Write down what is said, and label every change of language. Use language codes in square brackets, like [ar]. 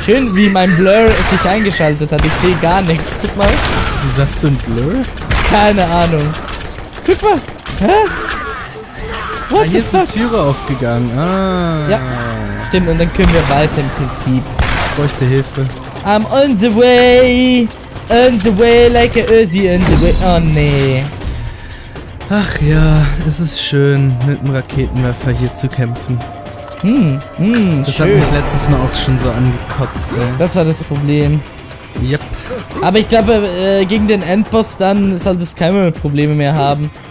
[de] Schön, wie mein Blur sich eingeschaltet hat. Ich sehe gar nichts. Guck mal. Wie sagst du ein Blur? Keine Ahnung. Guck mal! Hä? [en] What the fuck? [de] Hier ist eine Türe aufgegangen. Ah. Ja. Stimmt, und dann können wir weiter im Prinzip. Ich bräuchte Hilfe. [en] I'm on the way! On the way like a Uzi on the way. [de] Oh nee. Ach ja, es ist schön, mit einem Raketenwerfer hier zu kämpfen. Das schön. Hat mich letztes Mal auch schon so angekotzt, ey. Das war das Problem. [en] Yep. [de] Aber ich glaube, gegen den Endboss dann sollte es keine Probleme mehr haben.